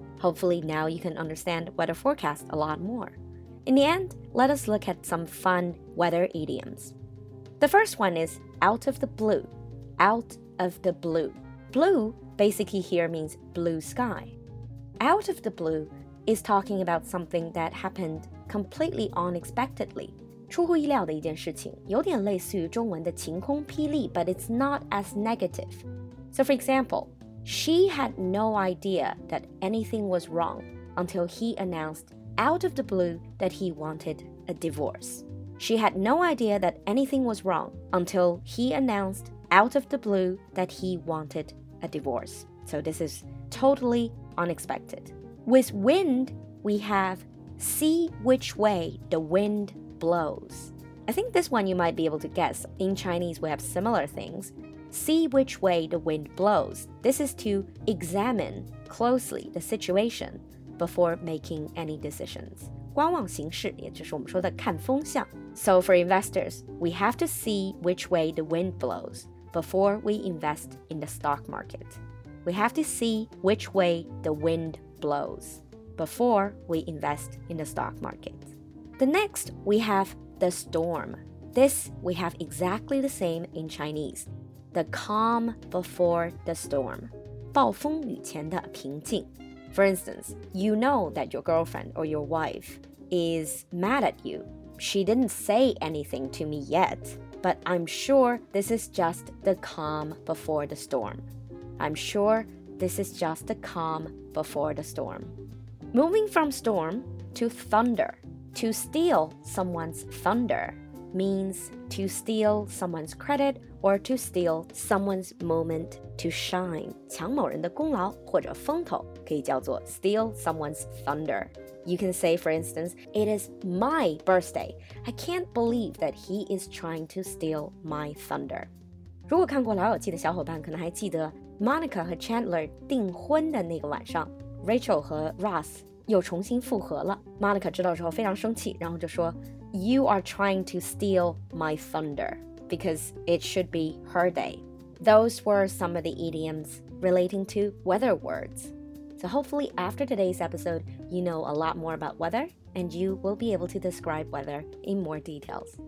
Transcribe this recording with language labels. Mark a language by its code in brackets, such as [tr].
[en] Hopefully now you can understand weather forecast a lot more. In the end, let us look at some fun weather idioms. The first one is out of the blue. Out of the blue. Blue basically here means blue sky. Out of the blue is talking about something that happened completely unexpectedly. [zh] 出乎意料的一件事情，有点类似于中文的晴空霹雳 [en] but it's not as negative. So for example, she had no idea that anything was wrong until he announced out of the blue that he wanted a divorce. She had no idea that anything was wrong until he announced out of the blue that he wanted a divorce. So this is totally unexpected. With wind, we have see which way the wind blows. I think this one you might be able to guess. In Chinese, we have similar things. See which way the wind blows. This is to examine closely the situation before making any decisions. [zh] 观望形势，也就是我们说的看风向。 [en] So for investors, we have to see which way the wind blows before we invest in the stock market. We have to see which way the wind blows before we invest in the stock market. The next, we have the storm. This, we have exactly the same in Chinese. The calm before the storm. [zh] 暴风雨前的平静。 [en] For instance, you know that your girlfriend or your wife is mad at you. She didn't say anything to me yet, but I'm sure this is just the calm before the storm. I'm sure this is just the calm before the storm. Moving from storm to thunder. To steal someone's thunder means to steal someone's credit or to steal someone's moment to shine. [zh] 抢某人的功劳或者风头可以叫做 [en] steal someone's thunder. You can say, for instance, it is my birthday. I can't believe that he is trying to steal my thunder. [zh] 如果看过老友记的小伙伴可能还记得 Monica 和 Chandler 订婚的那个晚上 Rachel 和 Ross又重新复合了。 Monica 知道之后非常生气，然后就说 [en] You are trying to steal my thunder because it should be her day. Those were some of the idioms relating to weather words. So hopefully after today's episode, you know a lot more about weather and you will be able to describe weather in more details.